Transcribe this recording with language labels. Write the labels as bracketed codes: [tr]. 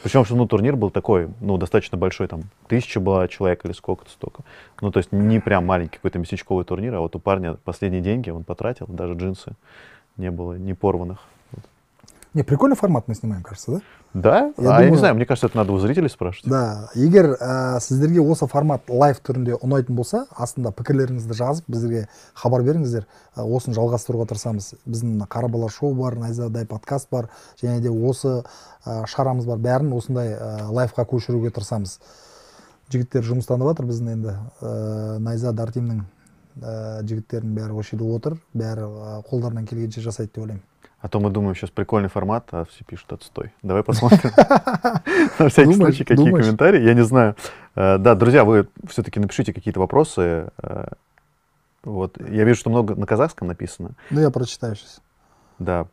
[ru] Причем, что, ну, турнир был такой, ну, достаточно большой, там, 1000 было человек или сколько-то, столько. Ну, то есть не прям маленький какой-то местечковый турнир, а вот у парня последние деньги он потратил, даже джинсы не было, не порванных. Не, прикольный формат мы снимаем, кажется, да? Да? Я, думаю, я не знаю, мне кажется, это надо у зрителей спрашивать. Да. [kk] Егер сіздерге осы формат лайв түрінде ұнайтын болса, астында пікірлеріңізді жазып, біздерге хабар беріңіздер. Осын жалғастыруға тырысамыз. Біздің қарабалар шоу бар, Найзадай подкаст бар, және де осы шарамыз бар. Бәрін осындай лайвқа көшіруге тырысамыз. Жігіттер жұмыстанып жатыр, біздің енді Найза Дартимнің жігіттерінің бәрі осы жерде отыр, бәрі қолдарынан келгенше жасайды деп ойлаймын. [ru] А то мы думаем, сейчас прикольный формат, а все пишут: отстой. Давай посмотрим. На всякий случай, какие комментарии, я не знаю. Да, друзья, вы все-таки напишите какие-то вопросы. Вот, я вижу, что много на казахском написано. Ну, я прочитаю сейчас. Да,